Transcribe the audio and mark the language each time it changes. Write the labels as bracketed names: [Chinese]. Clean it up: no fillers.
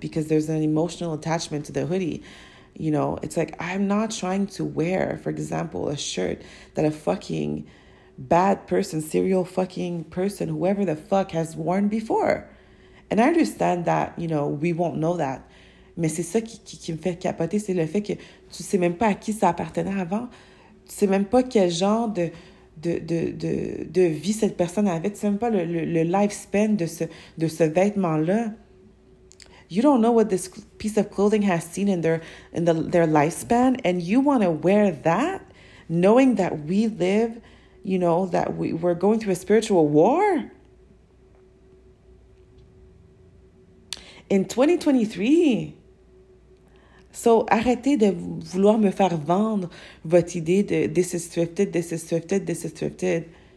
[English] Because there's an emotional attachment to the hoodie. You know, it's like, I'm not trying to wear, for example, a shirt that a fucking... bad person, serial fucking person, whoever the fuck has worn before. And I understand that, you know, we won't know that. [French] Mais c'est ça qui me fait capoter, c'est le fait que tu sais même pas à qui ça appartenait avant. Tu sais même pas quel genre de vie cette personne avait. Tu sais même pas le lifespan de ce vêtement-là. [English] You don't know what this piece of clothing has seen in their lifespan. And you want to wear that knowing that we live... You know, that we're going through a spiritual war? In 2023. So, [French] arrêtez de vouloir me faire vendre votre idée de [English] this is thrifted, this is thrifted, this is thrifted.